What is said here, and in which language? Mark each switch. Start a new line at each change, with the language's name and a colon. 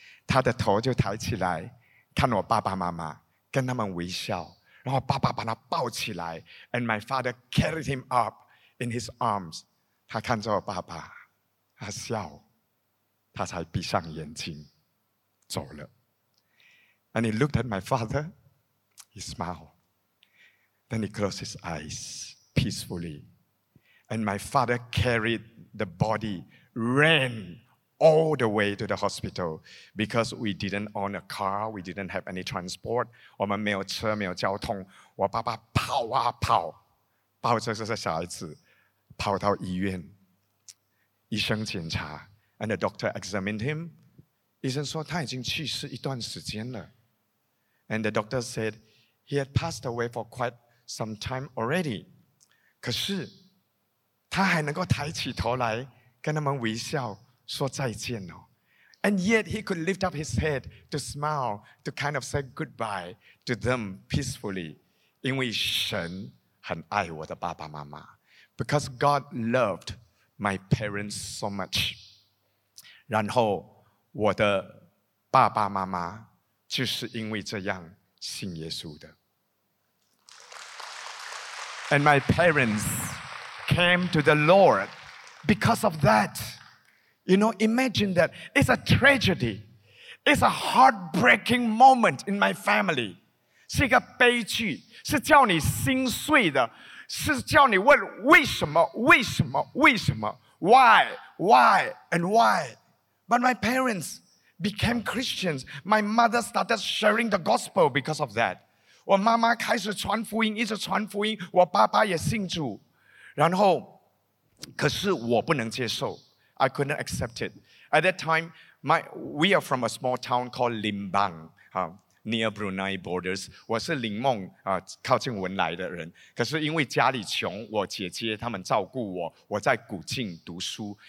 Chinese: 他的头就抬起来, 看我爸爸妈妈, 跟他们微笑。然后爸爸把他抱起来，
English: and my father carried him up in his arms.
Chinese: 他看着爸爸，他笑，他才闭上眼睛走了。
English: And he looked at my father, he smiled. Then he closed his eyes peacefully. And my father carried the body, ran all the way to the hospital because we didn't own a car, we didn't have any transport.
Chinese: 我们没有车，没有交通。我爸爸跑啊跑，抱着这个小孩子跑到医院。医生检查
English: ，and the doctor examined him.
Chinese: 医生说他已经去世一段时间了。
English: And the doctor said he had passed away for quite some time already.
Chinese: 可是他还能够抬起头来跟他们微笑说再见哦。
English: And yet he could lift up his head to smile, to kind of say goodbye to them peacefully.
Chinese: 因为神很爱我的爸爸妈妈。
English: Because God loved my parents so much.
Chinese: 然后我的爸爸妈妈就是因为这样信耶稣的。
English: And my parents came to the Lord because of that. You know, imagine that. It's a tragedy. It's a heartbreaking moment in my family.
Chinese: 是一个悲剧，是叫你心碎的，是叫你问为什么，为什么，为什么，
English: why, why, and why. But my parents became Christians. My mother started sharing the gospel because of that.
Chinese: 我妈妈开始传福音，一直传福音。我爸爸也信主。然后，可是我不能接受。
English: I couldn't accept it. At that time, we are from a small town called Limbang, near Brunei borders.
Chinese: 我是林孟靠近文莱的人。可是因为家里穷，我姐姐他们照顾我，我在古晋读书。